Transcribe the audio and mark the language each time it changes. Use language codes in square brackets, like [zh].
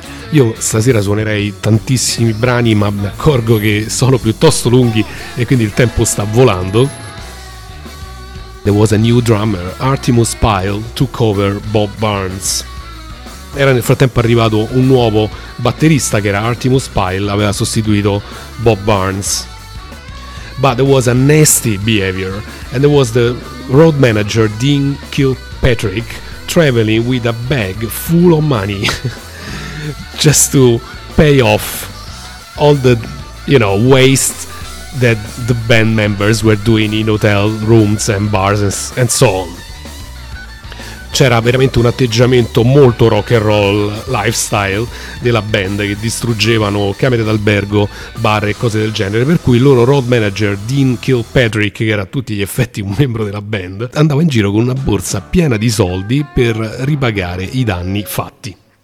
[it] Io stasera suonerei tantissimi brani, ma mi accorgo che sono piuttosto lunghi e quindi il tempo sta volando. [en] There was a new drummer, Artemus Pyle, to cover Bob Burns. [it] Era nel frattempo arrivato un nuovo batterista, che era Artemus Pyle, aveva sostituito Bob Burns. [en] But there was a nasty behavior, and there was the road manager Dean Kilpatrick traveling with a bag full of money just to pay off all the, you know, waste that the band members were doing in hotel rooms and bars and so on. [it] C'era veramente un atteggiamento molto [en] rock and roll lifestyle [it] della band, che distruggevano camere d'albergo, bar e cose del genere, per cui il loro road manager Dean Kilpatrick, che era a tutti gli effetti un membro della band, andava in giro con una borsa piena di soldi per ripagare i danni fatti.